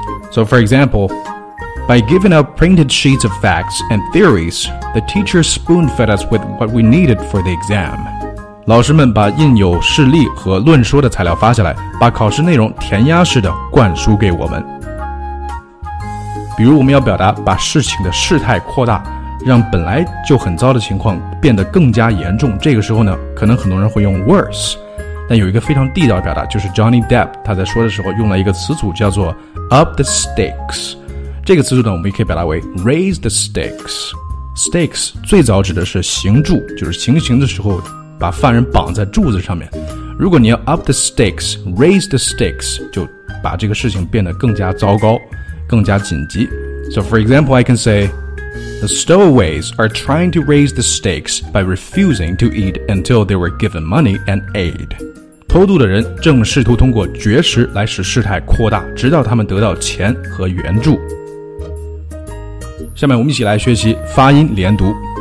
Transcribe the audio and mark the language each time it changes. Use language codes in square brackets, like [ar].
[en] So for example, by giving out printed sheets of facts and theories, the teacher spoon fed us with what we needed for the exam. [zh] 老师们把印有事例和论说的材料发下来，把考试内容填鸭式的灌输给我们。比如我们要表达把事情的事态扩大，让本来就很糟的情况变得更加严重，这个时候呢可能很多人会用 worse。但有一个非常地道的表达，就是 Johnny Depp 他在说的时候用了一个词组叫做 [en] up the stakes。 [zh] 这个词组呢我们也可以表达为 [en] raise the stakes。 [zh] stakes 最早指的是刑柱，就是行刑的时候把犯人绑在柱子上面。如果你要 [en] up the stakes, raise the stakes, [zh] 就把这个事情变得更加糟糕，更加紧急。 [en] So for example, I can say, the stowaways are trying to raise the stakes by refusing to eat until they were given money and aid. [zh] 偷渡的人正试图通过绝食来使事态扩大，直到他们得到钱和援助。下面我们一起来学习发音连读。